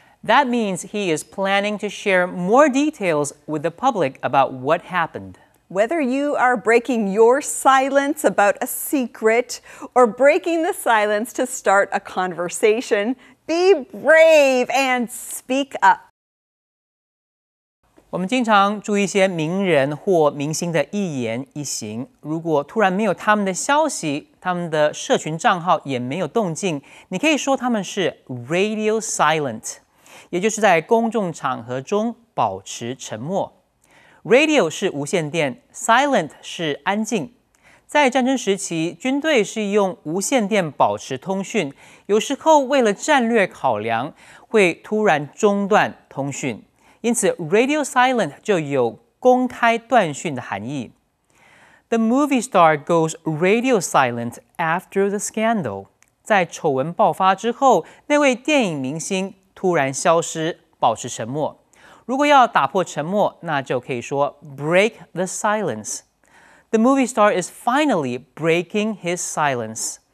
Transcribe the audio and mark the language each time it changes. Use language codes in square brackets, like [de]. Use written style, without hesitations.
[en] That means he is planning to share more details with the public about what happened. Whether you are breaking your silence about a secret or breaking the silence to start a conversation, be brave and speak up. [zh] 我们经常注意一些名人或明星的一言一行，如果突然没有他们的消息，他们的社群账号也没有动静，你可以说他们是 radio silent， 也就是在公众场合中保持沉默。 Radio 是无线电 ，silent 是安静。在战争时期，军队是用无线电保持通讯，有时候为了战略考量，会突然中断通讯。因此 ，radio silent 就有公开断讯的含义。 [en] The movie star goes radio silent after the scandal. [zh] 在丑闻爆发之后，那位电影明星突然消失，保持沉默。如果要打破沉默，那就可以说 [en] break the silence. The movie star is finally breaking his silence.